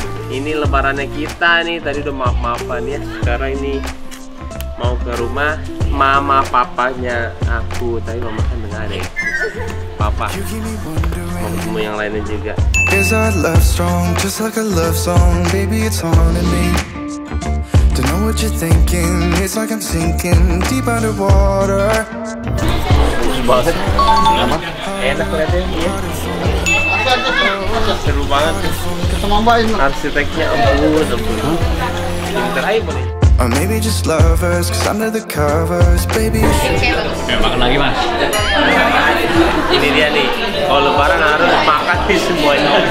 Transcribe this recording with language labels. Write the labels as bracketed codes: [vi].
[id] Ini lebarannya kita nih. Tadi udah maaf-maafan ya. Sekarang ini mau ke rumah mama papanya aku. Tapi mama kan dengar deh. Papa mau ketemu yang lainnya juga. [en] Is our love strong? Just like a love song. Baby it's haunting me. Don't know what you're thinking. It's like I'm sinking deep underwater. [id] Banget, enak kelihatannya, seru banget. Ketemu banget. Arsiteknya ampun, ampun. Ini terakhir boleh. [en] Or maybe just lovers, cause under the covers, baby. [id] Ya, makan lagi, Mas. Ini dia nih, kalau lebaran harus makan di semuanya.